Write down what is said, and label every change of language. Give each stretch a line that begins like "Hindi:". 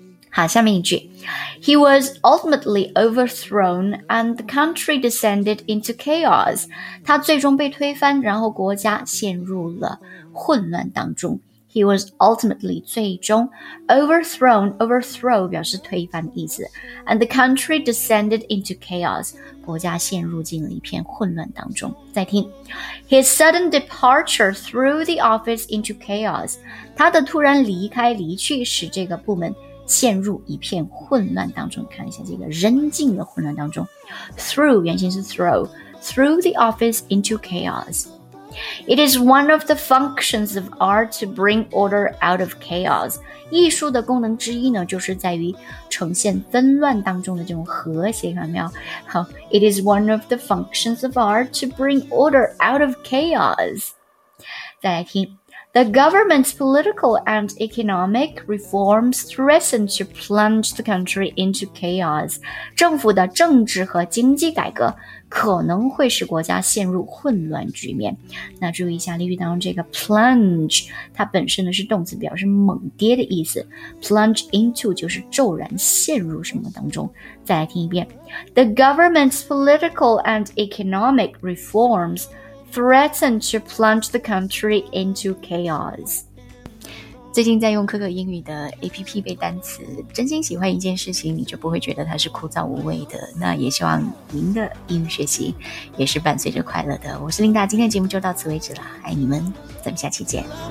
Chinese: 好，下面一句
English: He was ultimately overthrown and the country descended into chaos.
Chinese: 他最终被推翻，然后国家陷入了混乱当中。
English: He was ultimately
Chinese: 最终 overthrown 表示推翻的意思。
English: And the country descended into chaos.
Chinese: 国家陷入进了一片混乱当中。再听
English: His sudden departure threw the office into chaos.
Chinese: 他的突然离开离去使这个部门陷入一片混乱当中，看一下这个扔进的混乱当中。
English: Threw
Chinese: 原型是
English: throw the office into chaos. It is one of the functions of art to bring order out of chaos.
Chinese: 艺术的功能之一呢，就是在于呈现纷乱当中的这种和谐，看到没有？
English: 好 ，It is one of the functions of art to bring order out of chaos.
Chinese: 再来听。
English: The government's political and economic reforms threatened to plunge the country into chaos.
Chinese: 政府的政治和经济改革可能会使国家陷入混乱局面。那注意一下例句当中这个 plunge， 它本身呢是动词，表示猛跌的意思。 Plunge into 就是骤然陷入什么当中。再来听一遍。
English: The government's political and economic reformsThreaten to plunge the country into chaos.
Chinese: 最近在用可可英语的 APP 背单词，真心喜欢一件事情，你就不会觉得它是枯燥无味的。那也希望您的英语学习也是伴随着快乐的。我是琳达，今天节目就到此为止了，爱你们，咱们下期见。